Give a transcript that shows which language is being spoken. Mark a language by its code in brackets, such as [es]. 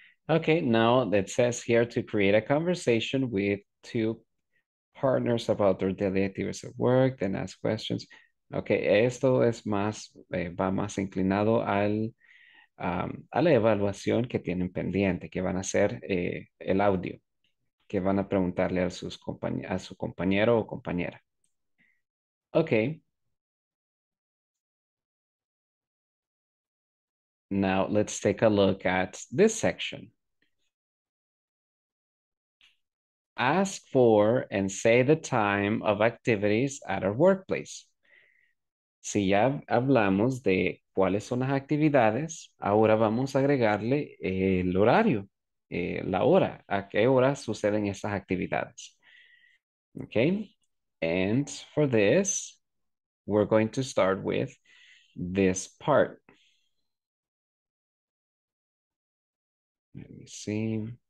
[en] Okay, now it says here to create a conversation with two partners about their daily activities at work, then ask questions. [es] Okay, esto es más, va más inclinado al, a la evaluación que tienen pendiente, que van a hacer el audio, que van a preguntarle a, sus a su compañero o compañera. [en] Okay. Now let's take a look at this section. Ask for and say the time of activities at our workplace. [es] Si ya hablamos de cuáles son las actividades, ahora vamos a agregarle el horario, la hora, a qué hora suceden esas actividades. [en] Okay, and for this, we're going to start with this part. Let me see.